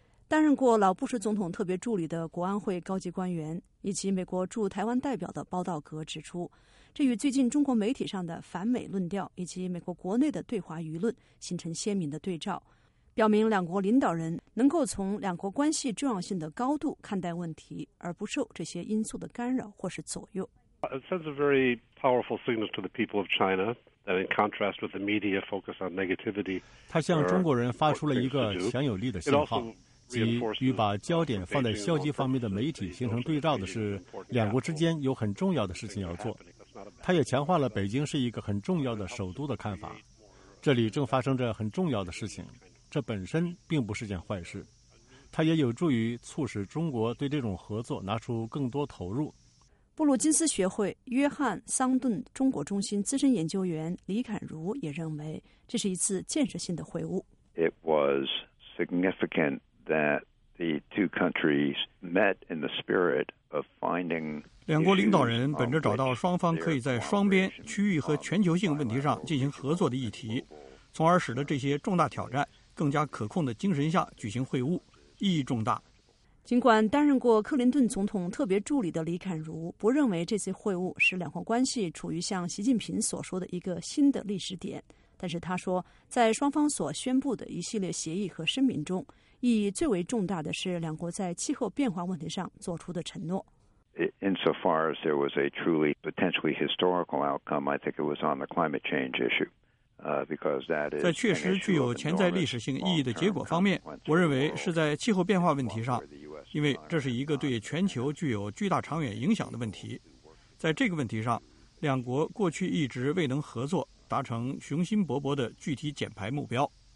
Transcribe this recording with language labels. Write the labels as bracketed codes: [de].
[zh] 担任过老布什总统特别助理的国安会高级官员以及美国驻台湾代表的包道格指出，这与最近中国媒体上的反美论调以及美国国内的对华舆论形成鲜明的对照，表明两国领导人能够从两国关系重要性的高度看待问题，而不受这些因素的干扰或是左右。 [en] It sends a very powerful signal to the people of China that, in contrast with the media focus on negativity, [zh] 它向中国人发出了一个强有力的信号，即与把焦点放在消极方面的媒体形成对照的是，两国之间有很重要的事情要做。它也强化了北京是一个很重要的首都的看法，这里正发生着很重要的事情。这本身并不是件坏事，它也有助于促使中国对这种合作拿出更多投入。布鲁金斯学会约翰·桑顿中国中心资深研究员李侃如也认为，这是一次建设性的会晤。 [en] It was significant that the two countries met in the spirit of finding. [zh] 两国领导人本着找到双方可以在双边、区域和全球性问题上进行合作的议题，从而使得这些重大挑战更加可控的精神下举行会晤，意义重大。尽管担任过克林顿总统特别助理的李侃如不认为这次会晤使两国关系处于像习近平所说的一个新的历史点，但是他说，在双方所宣布的一系列协议和声明中，意义最为重大的是两国在气候变化问题上做出的承诺。 [en] Insofar as there was a truly potentially historical outcome, I think it was on the climate change issue. [zh] 在确实具有潜在历史性意义的结果方面，我认为是在气候变化问题上，因为这是一个对全球具有巨大长远影响的问题。在这个问题上，两国过去一直未能合作，达成雄心勃勃的具体减排目标。